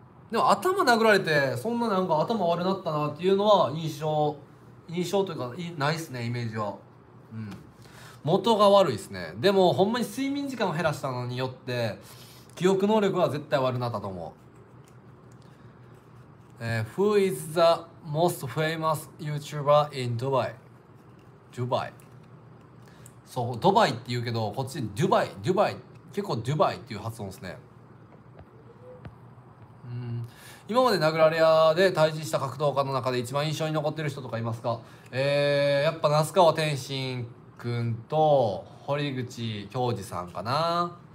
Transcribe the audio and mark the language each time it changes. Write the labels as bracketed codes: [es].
[ja] でも頭殴られてそんななんか頭悪なったなっていうのは印象というかないっすね、イメージは。元が悪いっすね。でもほんまに睡眠時間を減らしたのによって記憶能力は絶対悪なったと思う。 [en] Who is the most famous YouTuber in Dubai? Dubai。 [ja] そう、ドバイって言うけど、こっちにドゥバイ結構ドゥバイっていう発音っすね。今まで殴られ屋で対峙した格闘家の中で一番印象に残ってる人とかいますか？やっぱ那須川天心くんと堀口恭司さんかな。